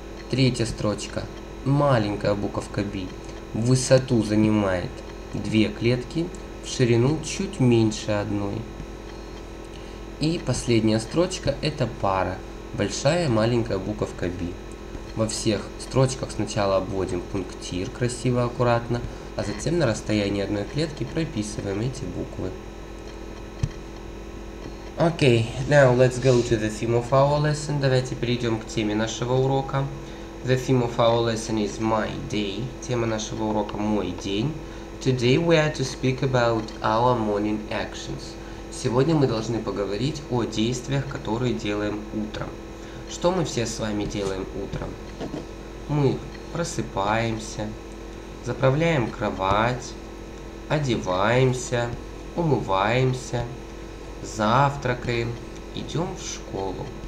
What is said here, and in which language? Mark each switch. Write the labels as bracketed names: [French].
[Russian] Третья строчка, маленькая буковка B, в высоту занимает две клетки, в ширину чуть меньше одной. И последняя строчка, это пара, большая и маленькая буковка B. Во всех строчках сначала обводим пунктир красиво, аккуратно, а затем на расстоянии одной клетки прописываем эти буквы. [English] Okay, now let's go to the theme of our lesson. [Russian] Давайте перейдем к теме нашего урока. [English] The theme of our lesson is my day. [Russian] Тема нашего урока – мой день. [English] Today we are to speak about our morning actions. [Russian] Сегодня мы должны поговорить о действиях, которые делаем утром. Что мы все с вами делаем утром? Мы просыпаемся, заправляем кровать, одеваемся, умываемся, завтракаем, идем в школу.